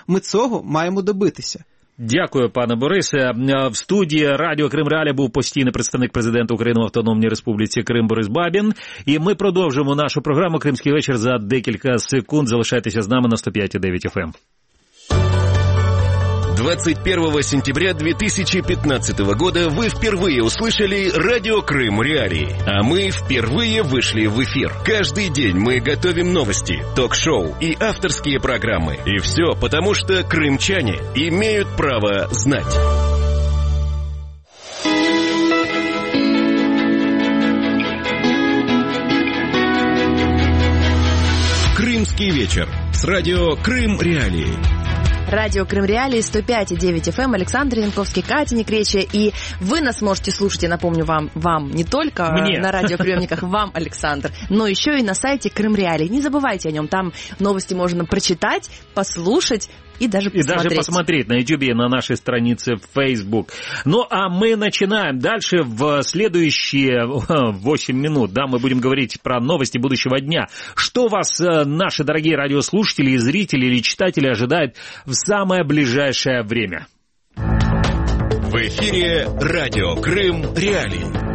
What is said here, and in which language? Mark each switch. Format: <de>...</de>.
<uk>Ми цього маємо добитися. Дякую, пане Борисе. В студії Радіо Крим Реалі був постійний представник президента України в Автономній Республіці Крим Борис Бабін. І ми продовжимо нашу програму «Кримський вечір» за декілька секунд. Залишайтеся з нами на 105.9 FM.</uk> <ru>21 сентября 2015 года вы впервые услышали Радио Крым Реалии, а мы впервые вышли в эфир. Каждый день мы готовим новости, ток-шоу и авторские программы. И все потому, что крымчане имеют право знать. Крымский вечер с Радио Крым Реалии. Радио Крым Реалии 105.9 FM, Александр Янковский, Катя Некречия. И вы нас можете слушать, я напомню вам, вам не только мне на радиоприемниках, вам, Александр, но еще и на сайте Крым Реалии. Не забывайте о нем, там новости можно прочитать, послушать и даже посмотреть. И даже посмотреть на YouTube и на нашей странице в Facebook. Ну а мы начинаем дальше в следующие 8 минут. Да, мы будем говорить про новости будущего дня. Что вас, наши дорогие радиослушатели, и зрители, или читатели ожидают в самое ближайшее время. В эфире Радио Крым Реалии.</ru>